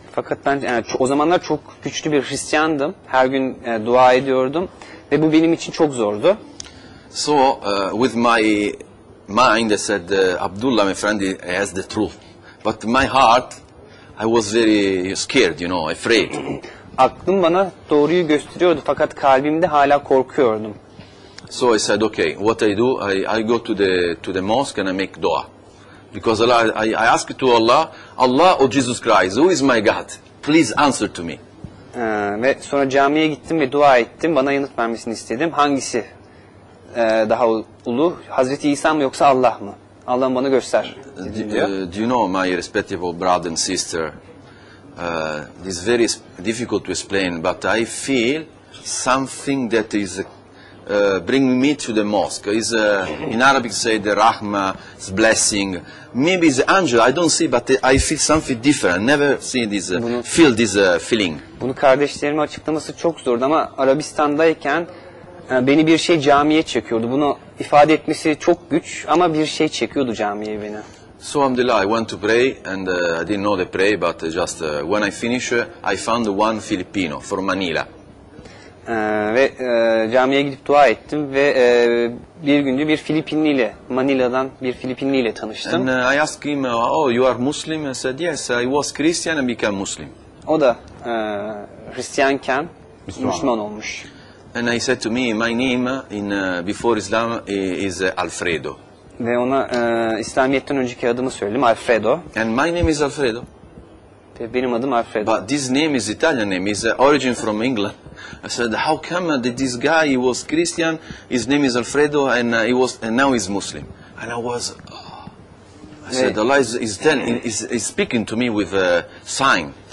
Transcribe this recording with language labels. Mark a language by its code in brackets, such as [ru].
[tr] Fakat ben o zamanlar çok güçlü bir Hristiyandım. Her gün dua ediyordum ve bu benim için çok zordu. [en] So with my mind, I said, Abdullah, my friend, he has the truth. But my heart, I was very scared, you know, afraid. [tr] Aklım bana doğruyu gösteriyordu, fakat kalbimde hala korkuyordum. [en] So I said, okay, what I do, I go to the mosque and I make dua. Because Allah, I ask to Allah, Allah or Jesus Christ, who is my God? Please answer to me. [tr] Ve sonra camiye gittim ve dua ettim. Bana yanıt vermesini istedim. Hangisi daha ulu, Hazreti İsa mı yoksa Allah mı? Allah bana göster. [en] Do you know, my respectable brother and sister, this is very difficult to explain, but I feel something that is bringing me to the mosque. Is in Arabic say the rahmah, it's blessing. Maybe it's angel, I don't see, but I feel something different. I never see this, feel this feeling. [tr] Bunu kardeşlerime açıklaması çok zordu ama Arabistan'dayken beni bir şey camiye çekiyordu. Bunu ifade etmesi çok güç ama bir şey çekiyordu camiye beni. [en] So alhamdulillah, I went to pray and I didn't know the pray, but just when I finished, I found one Filipino from Manila. [tr] Ve camiye gidip dua ettim ve bir günce bir Filipinliyle, Manila'dan bir Filipinliyle tanıştım. [en] And I asked him, oh, you are Muslim? I said, yes, I was Christian and became Muslim. [tr] O da Hristiyanken Müslüman olmuş. [en] And I said to me, my name in before Islam is Alfredo. [tr] Ve ona İslamiyet'ten önceki adımı söyledim, Alfredo. [en] And my name is Alfredo. [tr] Ve benim adım Alfredo. [en] But this name is Italian name, is origin from England. I said, how come that this guy, he was Christian, his name is Alfredo, and now he's Muslim. And I was, oh. I said, Allah is speaking to me with a sign.